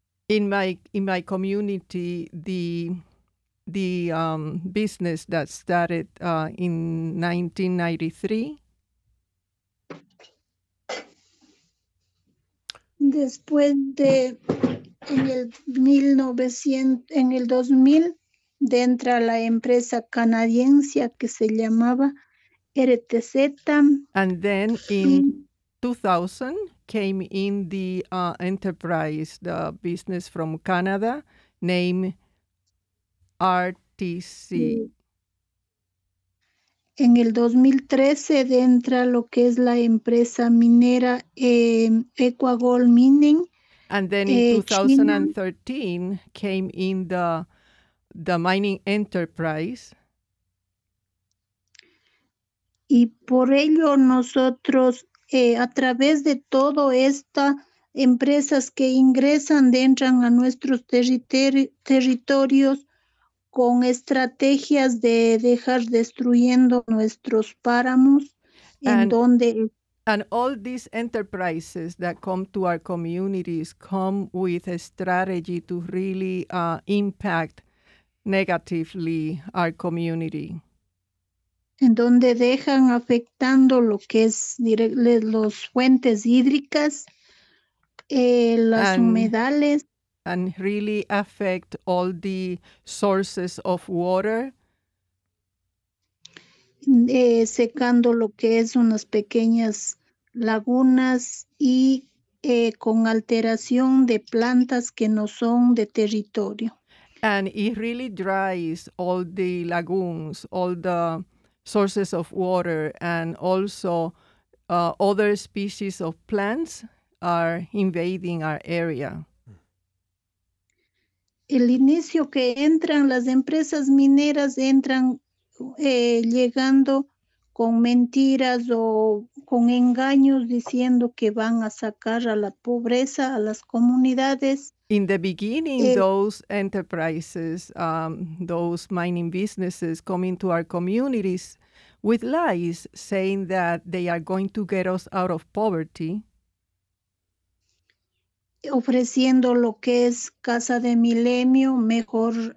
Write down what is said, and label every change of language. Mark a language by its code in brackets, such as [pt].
[en] In my community, the business that started in 1993. [es] Después de en el 2000 entra la empresa canadiense que se llamaba RTZ. [en] And then in 2000 came in the enterprise, the business from Canada, named RTC. [es] En el 2013 entra lo que es la empresa minera Equagold Mining. [en] And then in 2013 China. Came in the mining enterprise. [es] Y por ello nosotros a través de todo estas empresas que ingresan, entran a nuestros territorios con estrategias de dejar destruyendo nuestros páramos. [en] And all these enterprises that come to our communities come with a strategy to really impact negatively our community. [es] En donde dejan afectando lo que es las fuentes hídricas, las humedales. [en] And really affect all the sources of water. [es] Secando lo que es unas pequeñas lagunas y con alteración de plantas que no son de territorio. [en] And it really dries all the lagoons, all the sources of water, and also other species of plants are invading our area. [es] El inicio que entran las empresas mineras entran llegando con mentiras o con engaños diciendo que van a sacar a la pobreza a las comunidades. [en] In the beginning, those enterprises, those mining businesses come into our communities with lies, saying that they are going to get us out of poverty. [es] Ofreciendo lo que es Casa de Milenio, mejor